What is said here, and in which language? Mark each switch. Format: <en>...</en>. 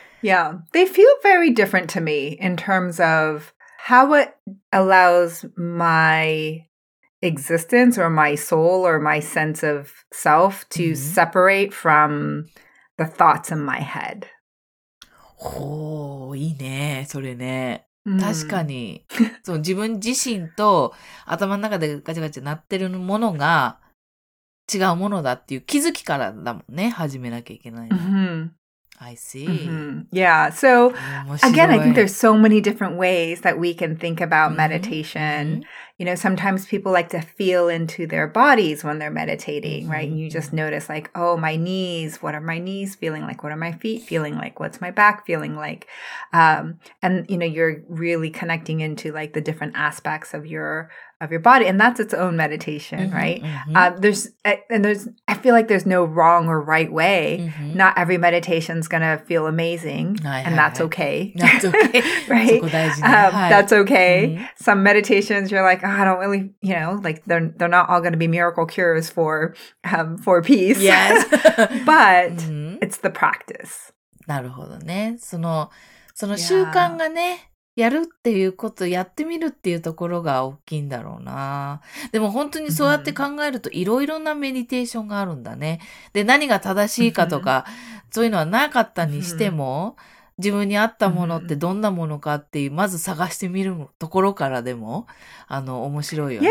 <en>Yeah, they feel very different to me in terms of how it allows my existence or my soul or my sense of self to separate from the thoughts in my head.</en> <ja>Oh, いいね、それね。確かに、その自分自身と頭の中でガチャガチャ鳴ってるものが違うものだっていう気づきからだもんね、始めなきゃいけない。</ja> <en>I see. Yeah, so again, I think there's so many different ways that we can think about meditation. You know, sometimes people like to feel into their bodies when they're meditating, right? And you just notice like, oh, my knees, what are my knees feeling like? What are my feet feeling like? What's my back feeling like? And, you know, you're really connecting into like the different aspects of your body. And that's its own meditation, right? I feel like there's no wrong or right way. Not every meditation is going to feel amazing. And that's okay. That's okay. Right? That's okay. Some meditations you're like, oh, I don't really, you know, like they're not all going to be miracle cures for peace. Yes. But it's the practice.</en> <ja>なるほどね。その習慣がね、やるっていうこと、やってみるっていうところが大きいんだろうな。でも本当にそうやって考えるといろいろなメディテーションがあるんだね。で、何が正しいかとか、そういうのはなかったにしても、自分に合ったものってどんなものかっていう、まず探してみるところからでも、面白いよね。</ja>